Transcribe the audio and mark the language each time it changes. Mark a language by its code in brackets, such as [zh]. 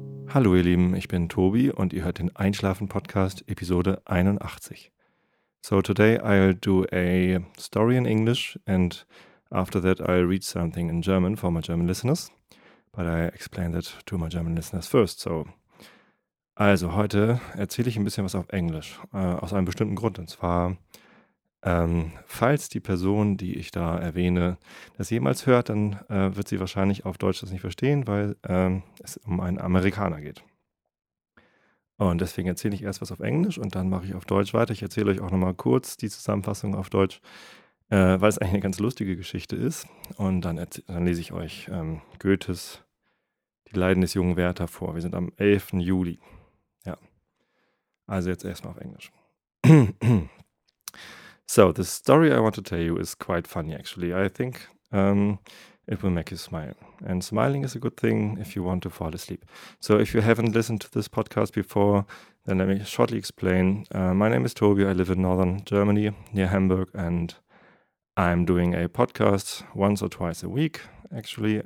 [de] Hallo ihr Lieben, ich bin Tobi und ihr hört den Einschlafen-Podcast Episode 81. [en] So today I'll do a story in English and after that I'll read something in German for my German listeners. But I explain that to my German listeners first. [de] So, also heute erzähle ich ein bisschen was auf Englisch, aus einem bestimmten Grund. Und zwar, falls die Person, die ich da erwähne, das jemals hört, dann wird sie wahrscheinlich auf Deutsch das nicht verstehen, weil es um einen Amerikaner geht. Und deswegen erzähle ich erst was auf Englisch und dann mache ich auf Deutsch weiter. Ich erzähle euch auch nochmal kurz die Zusammenfassung auf Deutsch, weil es eigentlich eine ganz lustige Geschichte ist. Und dann lese ich euch Goethes Die Leiden des jungen Werther vor. Wir sind am 11. Juli. Ja. Also jetzt erstmal auf Englisch. [en] So, the story I want to tell you is quite funny, actually. I think it will make you smile. And smiling is a good thing if you want to fall asleep. So if you haven't listened to this podcast before, then let me shortly explain. My name is Toby. I live in northern Germany, near Hamburg, and I'm doing a podcast once or twice a week, actually.